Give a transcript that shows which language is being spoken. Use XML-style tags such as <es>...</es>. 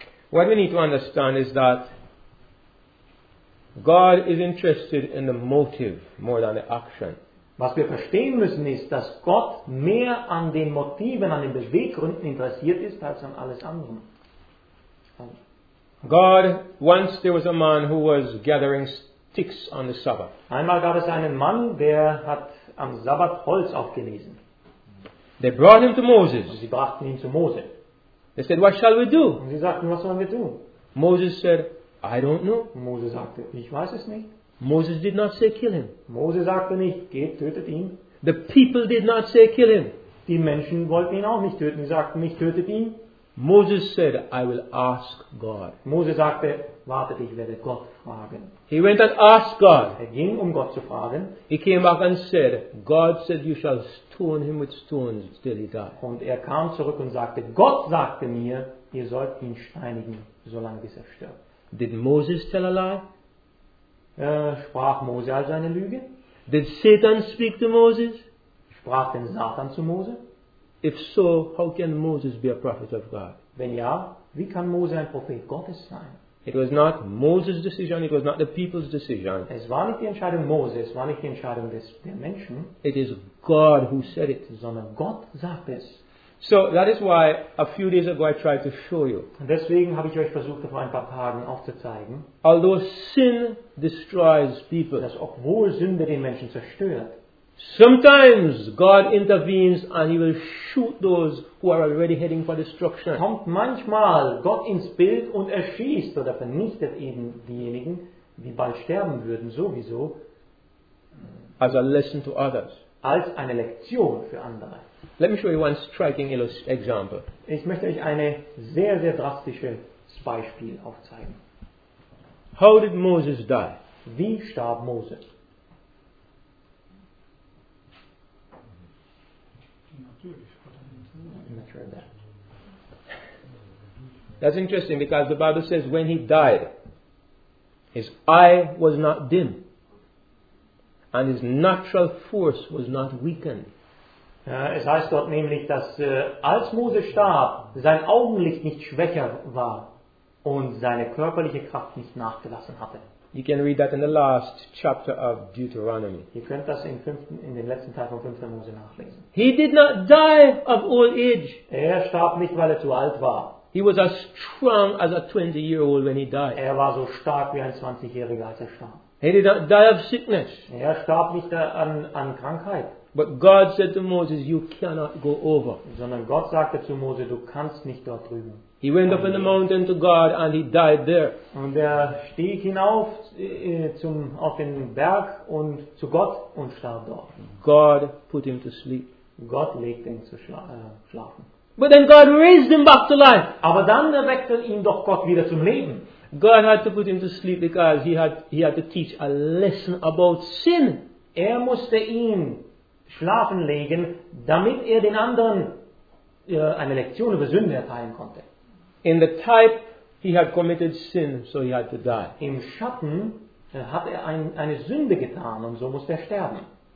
<en>What we need to understand is that God is interested in the motive more than the action.</en> <de>Was wir verstehen müssen ist, dass Gott mehr an den Motiven, an den Beweggründen interessiert ist, als an alles andere.</de> <en>God, once there was a man who was gathering sticks on the Sabbath.</en> <de>Einmal gab es einen Mann, der hat am Sabbat Holz aufgelesen.</de> <en>They brought him to Moses.</en> <de>Und sie brachten ihn zu Mose.</de> <en>They said, "What shall we do?"</en> <de>Und sie sagten, was sollen wir tun?</de> <en>Moses said, "I don't know."</en> <de>Moses sagte, ich weiß es nicht.</de> <en>Moses did not say, "Kill him."</en> <de>Moses sagte nicht, geht, tötet ihn.</de> <en>The people did not say, "Kill him."</en> <de>Die Menschen wollten ihn auch nicht töten. Sie sagten nicht, tötet ihn.</de> <en>Moses said, "I will ask God."</en> <de>Moses sagte, wartet, ich werde Gott fragen.</de> <en>He went and asked God.</en> <de>Er ging, um Gott zu fragen.</de> <en>He came back and said, "God said you shall stone him with stones till he died."</en> <de>Und er kam zurück und sagte, Gott sagte mir, ihr sollt ihn steinigen, solange bis er stirbt.</de> <en>Did Moses tell a lie?</en> <de>Sprach Mose also eine Lüge?</de> <en>Did Satan speak to Moses?</en> <de>Sprach denn Satan zu Mose?</de> <en>If so, how can Moses be a prophet of God?</en> <de>Wenn ja, wie kann Mose ein Prophet Gottes sein?</de> <en>It was not Moses' decision, it was not the people's decision.</en> <de>Es war nicht die Entscheidung Moses, es war nicht die Entscheidung der Menschen.</de> <en>It is God who said it.</en> <de>Sondern Gott sagt es.</de> <en>So that is why a few days ago I tried to show you.</en> <de>Und deswegen habe ich euch versucht, vor ein paar Tagen aufzuzeigen.</de> <en>Although sin destroys people.</en> <de>Dass obwohl Sünde den Menschen zerstört.</de> <en>Sometimes God intervenes and he will shoot those who are already heading for destruction.</en> <de>Kommt manchmal Gott ins Bild und erschießt oder vernichtet eben diejenigen, die bald sterben würden, sowieso.</de> <en>As a lesson to others.</en> <de>Als eine Lektion für andere.</de> <en>Let me show you one striking example.</en> <de>Ich möchte euch eine sehr, sehr drastisches Beispiel aufzeigen.</de> <en>How did Moses die?</en> <de>Wie starb Moses?</de> <en>That's interesting because the Bible says when he died, his eye was not dim and his natural force was not weakened.</en> <de>Es heißt dort nämlich, dass als Mose starb, sein Augenlicht nicht schwächer war und seine körperliche Kraft nicht nachgelassen hatte.</de> <en>You can read that in the last chapter of Deuteronomy.</en> <de>Ihr könnt das in dem letzten Teil von 5. Mose nachlesen.</de> <en>He did not die of old age.</en> <de>Er starb nicht, weil er zu alt war.</de> <en>He was as strong as a 20-year-old when he died.</en> <de>Er war so stark wie ein 20-Jähriger, als er starb.</de> <en>He did not die of sickness.</en> <de>Er starb nicht an Krankheit.</de> <en>But God said to Moses, "You cannot go over."</en> <de>Sondern Gott sagte zu Mose, du kannst nicht dort drüben.</de> <en>He went up in the mountain to God and he died there.</en> <de>Und er stieg hinauf auf den Berg und zu Gott und starb dort.</de> <en>God put him to sleep.</en> <de>Gott legte ihn zu schlafen.</de> <en>But then God raised him back to life.</en> <de>Aber dann erweckte ihn doch Gott wieder zum Leben.</de> <en>God had to put him to sleep because he had to teach a lesson about sin.</en> <de>Er musste ihn schlafen legen, damit er den anderen eine Lektion über Sünde erteilen konnte.</de> <en>In the type, he had committed sin, so he had to die.</en> <de>Im Schatten hat er eine Sünde getan und so musste er sterben.</de>